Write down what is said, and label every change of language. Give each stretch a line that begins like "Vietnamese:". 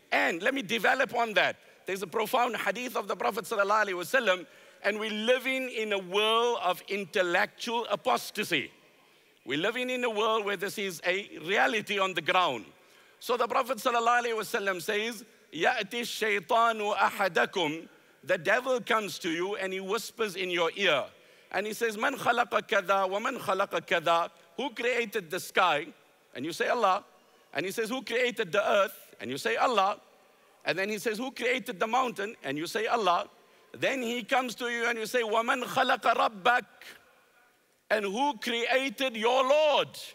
English: And let me develop on that. There's a profound hadith of the Prophet Sallallahu Alaihi Wasallam, and we're living in a world of intellectual apostasy. We're living in a world where this is a reality on the ground. So the Prophet Sallallahu Alaihi Wasallam says,
Arabic: يَأْتِ الشَّيْطَانُ أَحَدَكُمْ.
English: The devil comes to you and he whispers in your ear. And he says,
Arabic: مَنْ خَلَقَ كَذَا وَمَنْ خَلَقَ كَذَا.
English: Who created the sky? And you say, Allah. And he says, who created the earth? And you say, Allah. And then he says, who created the mountain? And you say, Allah. Then he comes to you and you say,
Arabic: وَمَنْ خَلَقَ رَبَّكَ.
English: And who created your Lord?